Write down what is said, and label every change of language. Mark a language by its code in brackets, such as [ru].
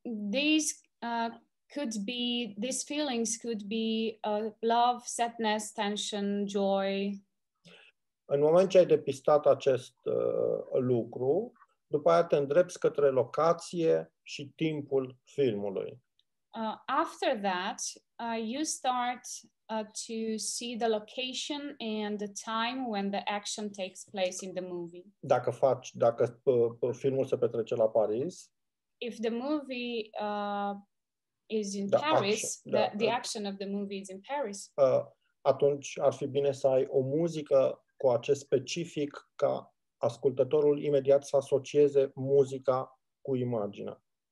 [en] These feelings could be love, sadness, tension, joy. [ro] În moment ce ai depistat acest lucru, după aia te îndrepți către locație și timpul filmului. [en] After that, you start to see the location and the time when the action takes place in the movie. [ro] Dacă faci, dacă filmul se petrece la Paris. [en] If the movie is in Paris, the action of the movie is in Paris. [ro] Atunci ar fi bine să ai o muzică cu acest specific ca ascultătorul imediat să asocieze muzica cu imaginea.